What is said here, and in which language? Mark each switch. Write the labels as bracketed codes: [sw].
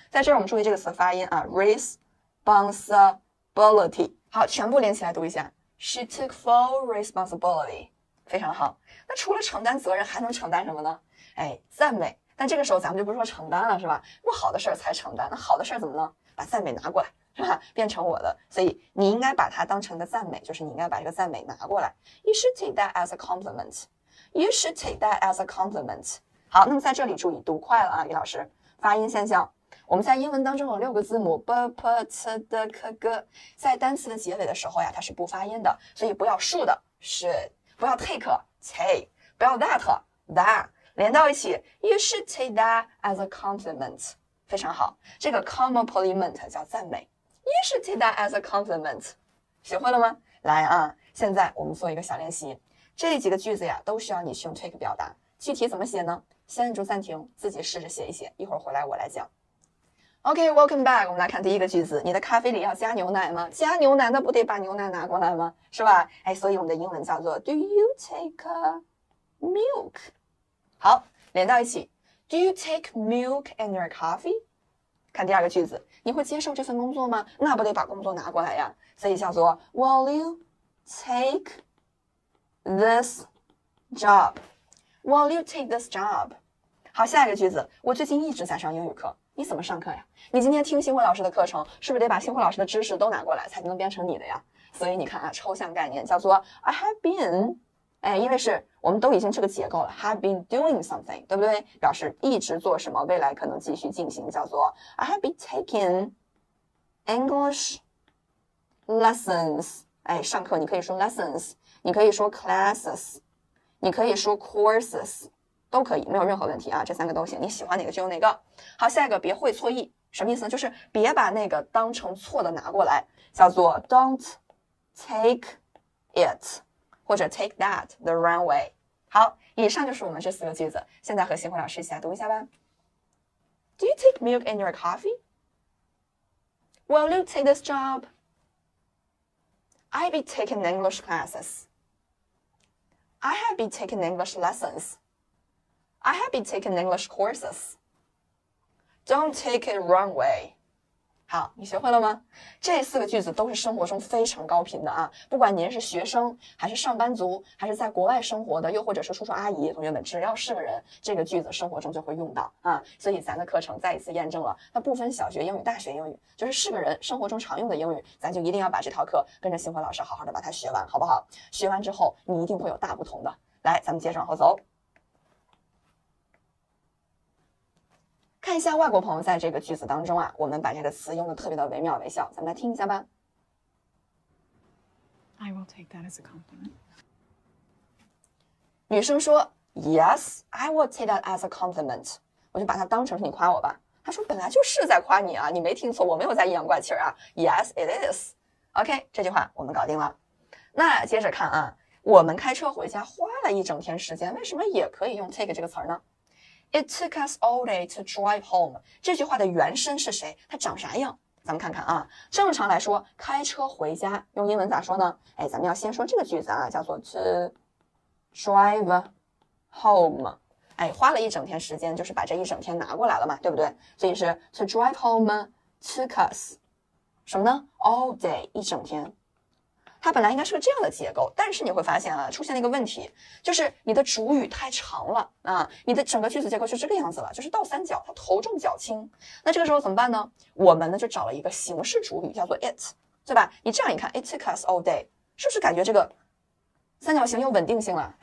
[zh] 在这儿我们注意这个词发音啊 ，responsibility。好，全部连起来读一下。 [en] She took full responsibility， [zh] 非常好。那除了承担责任，还能承担什么呢？哎，赞美。但这个时候咱们就不说承担了，是吧？不好的事儿才承担。那好的事儿怎么呢？把赞美拿过来，是吧？变成我的。所以你应该把它当成的赞美，就是你应该把这个赞美拿过来。 [en] You should take that as a compliment. You should take that as a compliment. [zh] 好，那么在这里注意读快了啊，李老师，发音现象。我们在英文当中有六个字母 b p t d k g， 在单词的结尾的时候呀，它是不发音的，所以不要竖的 should， 不要 take take， 不要 that that， 连到一起 [en] you should take that as a compliment， [zh] 非常好，这个 compliment 叫赞美， you should take that as a compliment， 学会了吗？来啊，现在我们做一个小练习，这几个句子呀都需要你去用 take 表达，具体怎么写呢？先住暂停，自己试着写一写，一会儿回来我来讲。 [en] OK, welcome back. [zh] 我们来看第一个句子。你的咖啡里要加牛奶吗？加牛奶那不得把牛奶拿过来吗？是吧？哎，所以我们的英文叫做 [en] Do you take milk? [zh] 好，连到一起。 [en] Do you take milk in your coffee? [zh] 看第二个句子。你会接受这份工作吗？那不得把工作拿过来呀。 [en] 所以叫做 Will you take this job? Will you take this job? [zh] 好，下一个句子。我最近一直在上英语课。你怎么上课呀？你今天听新慧老师的课程，是不是得把新慧老师的知识都拿过来才能变成你的呀？所以你看啊，抽象概念叫做 I have been， 哎，因为是我们都已经这个结构了 ，have been doing something， 对不对？表示一直做什么，未来可能继续进行，叫做 [en] I have been taking English lessons， [zh] 哎，上课你可以说 lessons， 你可以说 classes， 你可以说 courses。都可以，没有任何问题啊，这三个都行，你喜欢哪个就用哪个。好，下一个别会错意，什么意思呢？就是别把那个当成错的拿过来，叫做 [en] don't take it， [zh] 或者 [en] take that the wrong way。 [zh] 好，以上就是我们这四个句子，现在和新慧老师一起来读一下吧。 [en] Do you take milk in your coffee? Will you take this job? I've been taking English classes. I have been taking English lessons. I have been taking English courses. Don't take it wrong way. [zh] 好，你学会了吗？这四个句子都是生活中非常高频的啊，不管您是学生还是上班族，还是在国外生活的，又或者是叔叔阿姨同学们，只要是个人，这个句子生活中就会用到啊。所以咱的课程再一次验证了，它不分小学英语、大学英语，就是是个人生活中常用的英语，咱就一定要把这套课跟着星辉老师好好的把它学完，好不好？学完之后你一定会有大不同的。来，咱们接着往后走，看一下外国朋友在这个句子当中啊，我们把这个词用得特别的惟妙惟肖，咱们来听一下吧。 [en] I will take that as a compliment. [zh] 女生说 [en] ，Yes, I will take that as a compliment. [zh] 我就把它当成是你夸我吧。她说本来就是在夸你啊，你没听错，我没有在阴阳怪气啊。 [en] Yes, it is. [zh] OK, 这句话我们搞定了。那接着看啊，我们开车回家花了一整天时间，为什么也可以用 take 这个词呢？ [en] It took us all day to drive home. [zh] 这句话的原声是谁？它长啥样？咱们看看啊，正常来说开车回家用英文咋说呢？哎，咱们要先说这个句子啊，叫做 to drive home。哎，花了一整天时间，就是把这一整天拿过来了嘛，对不对？所以是 [en] to drive home took us [zh] 什么呢？ [en] all day [zh] 一整天。它本来应该是个这样的结构，但是你会发现啊，出现了一个问题，就是你的主语太长了啊，你的整个句子结构就这个样子了，就是倒三角，它头重脚轻。那这个时候怎么办呢？我们呢就找了一个形式主语叫做 it， 对吧？你这样一看 ， [en] it took us all day， [zh] 是不是感觉这个三角形又稳定性了？